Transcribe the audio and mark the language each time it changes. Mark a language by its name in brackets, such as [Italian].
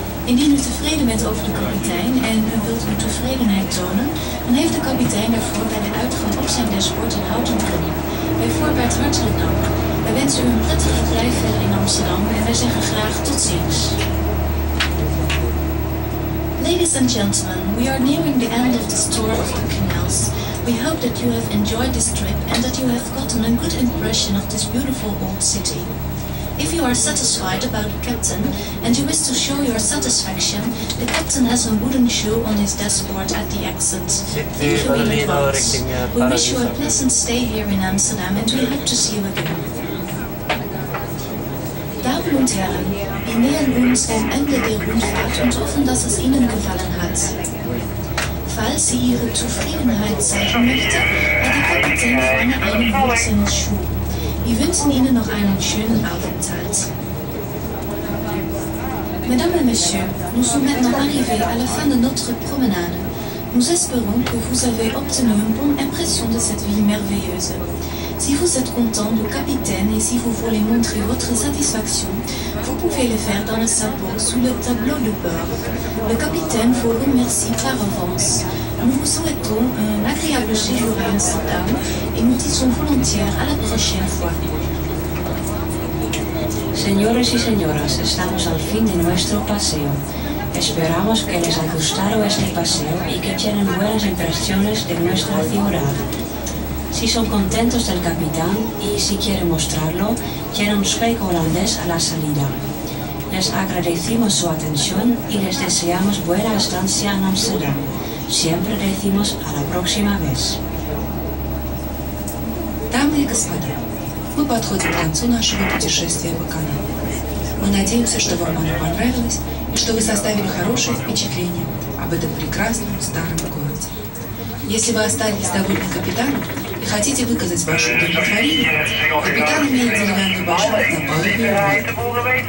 [Dutch] Indien u tevreden bent over de kapitein en u wilt uw tevredenheid tonen, dan heeft de kapitein daarvoor bij de uitgang op zijn dashboard een houten kring. Bij voorbaat hartelijk dank. Wij wensen u een prettige verblijf verder in Amsterdam en wij zeggen graag tot ziens. [English] Ladies and gentlemen, we are nearing the end of this tour of the canals. We hope that you have enjoyed this trip and that you have gotten a good impression of this beautiful old city. If you are satisfied about the captain and you wish to show your satisfaction, the captain has a wooden shoe on his dashboard at the exit. Thank you in advance. We wish you a pleasant stay here in Amsterdam and we hope to see you again. [Dutch] Dames en heren, [German] we nähern uns dem Ende der Rundfahrt und hoffen, dass es Ihnen gefallen hat. Falls Sie Ihre Zufriedenheit zeigen möchten, hat der Kapitän vorne einen wunderschönen Schuh. Wir wünschen Ihnen noch einen schönen Aufenthalt. [French] Mesdames et Messieurs, nous sommes maintenant arrivés à la fin de notre promenade. Nous espérons que vous avez obtenu une bonne impression de cette ville merveilleuse. Si vous êtes content du capitaine et si vous voulez montrer votre satisfaction, vous pouvez le faire dans le sabot sous le tableau de bord. Le capitaine vous remercie par avance. Nous vous souhaitons un agréable séjour à Amsterdam et nous disons volontiers à la prochaine fois. [Spanish] Señores y señoras, estamos al fin de nuestro paseo. Esperamos que les haya gustado este paseo y que tienen buenas impresiones de nuestra ciudad. Si son contentos del capitán y si quieren mostrarlo, tienen un espejo holandés a la salida. Les agradecemos su atención y les deseamos buena estancia en Amsterdam. Siempre decimos a la próxima vez. [Russian] Дамы и господа, мы подходим к концу нашего путешествия по каналу. Мы надеемся, что вам оно понравилось и что вы составили хорошее впечатление об этом прекрасном старом городе. Если вы остались довольны капитаном, и хотите выказать ваше удовлетворение, капитан имеет деревянный башмак на палубе.